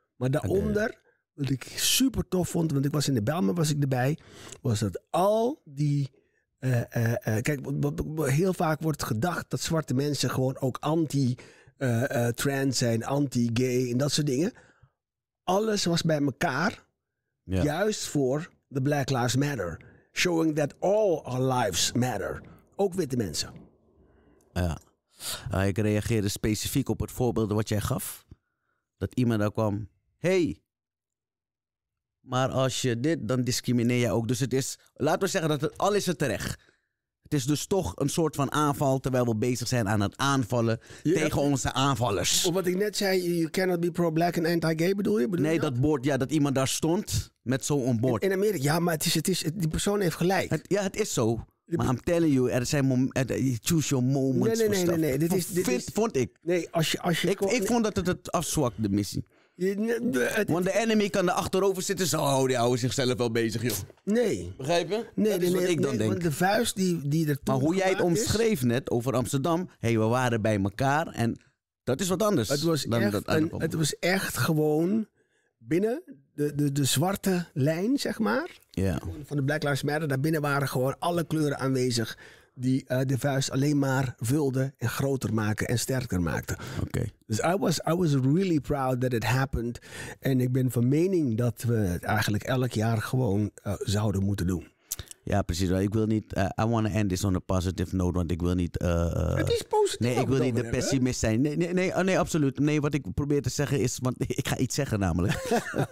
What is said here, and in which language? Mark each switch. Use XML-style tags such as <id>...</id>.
<nl>Maar daaronder, wat ik super tof vond, want ik was in de Bijlmer, was ik erbij, was dat al die... kijk, heel vaak wordt gedacht dat zwarte mensen gewoon ook anti-trans zijn, anti-gay en dat soort dingen. Alles was bij elkaar, juist voor...</nl> <en>The Black Lives Matter. Showing that all our lives matter.</en> <nl>Ook witte mensen. Ja. Ik reageerde specifiek op het voorbeeld wat jij gaf. Dat iemand daar kwam. Hey. Maar als je dit, dan discrimineer je ook. Dus het is, laten we zeggen, dat het al is het terecht. Het is dus toch een soort van aanval. Terwijl we bezig zijn aan het aanvallen. Ja. Tegen onze aanvallers. Wat ik net zei.</nl> <en>You cannot be pro-black and anti-gay,</en> <nl>bedoel je? Dat bord. Ja, dat iemand daar stond. Met zo'n bord. In Amerika. Ja, maar het is, die persoon heeft gelijk. Het is zo. Maar</nl> <en>I'm telling you.</en> <nl>Er zijn</nl> <en>choose your moments.</en> <nl>Nee. Dit is, vond ik. Nee, als je Ik vond dat het afzwakt, de missie. Want de enemy kan er achterover zitten. Zo, oh, die houden zichzelf wel bezig, joh. Nee. Begrijp je? Nee, dat is wat ik denk. Want de vuist die er toen maar hoe jij het omschreef net over Amsterdam. Hé, we waren bij elkaar. En dat is wat anders. Het was echt gewoon binnen de zwarte lijn, zeg maar. Ja. Van de Black Lives Matter. Daarbinnen waren gewoon alle kleuren aanwezig. Die de vuist alleen maar vulde en groter maken en sterker maakte. Okay.</nl> <en>Dus I was really proud that it happened.</en> <nl>En ik ben van mening dat we het eigenlijk elk jaar gewoon zouden moeten doen. Ja, precies. Ik wil niet.</nl> <en>I want to end this on a positive note,</en> <nl>want ik wil niet. Het is positief. Nee, ik wil niet de pessimist zijn. Nee, absoluut. Nee, wat ik probeer te zeggen is. Want ik ga iets zeggen, namelijk.</nl>